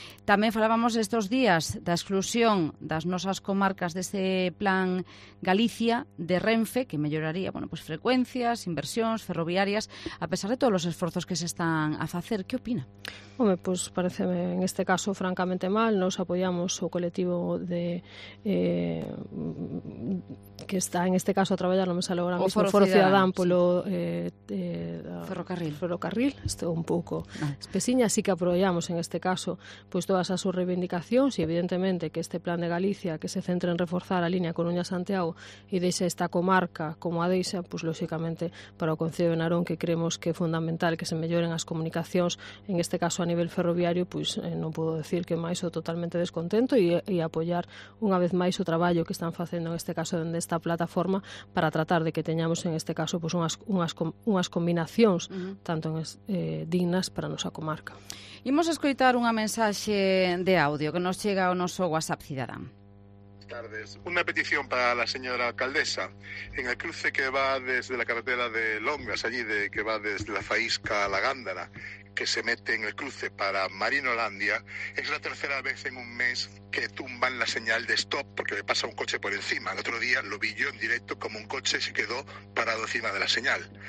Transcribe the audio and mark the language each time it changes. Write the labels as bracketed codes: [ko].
[gl] Tamén falábamos estes días da exclusión das nosas comarcas dese plan Galicia de Renfe, que melloraría, bueno, pues, frecuencias, inversións ferroviarias, a pesar de todos os esforzos que se están a facer. Que opina? Home, pues pareceme en este caso francamente mal. Nos apoiamos o colectivo que está en este caso a traballar, non me sale agora mesmo, Foro Cidadán polo Ferrocarril. Ferrocarril, estou un pouco espesiña, así que apoiamos en este caso pues todas as súas reivindicacións, e evidentemente que este plan de Galicia, que se centra en reforzar a línea Coruña-Santiago e deixa esta comarca como a deixa, pues lógicamente para o Concello de Narón, que creemos que é fundamental que se melloren as comunicacións, en este caso a nivel ferroviario, pues non podo decir que máis, o totalmente descontento, e apoiar unha vez máis o traballo que están facendo en este caso dende esta plataforma para tratar de que teñamos en este caso pues unhas combinacións tanto dignas para a nosa comarca. Imos a escoitar unha mensaxe de audio que nos chega ao noso WhatsApp Cidadán. [es] Buenas tardes. Una petición para la señora alcaldesa. En el cruce que va desde la carretera de Longas, allí que va desde la Faísca a la Gándara, que se mete en el cruce para Marinolandia, es la tercera vez en un mes que tumban la señal de stop porque le pasa un coche por encima. El otro día lo vi yo en directo como un coche se quedó parado encima de la señal.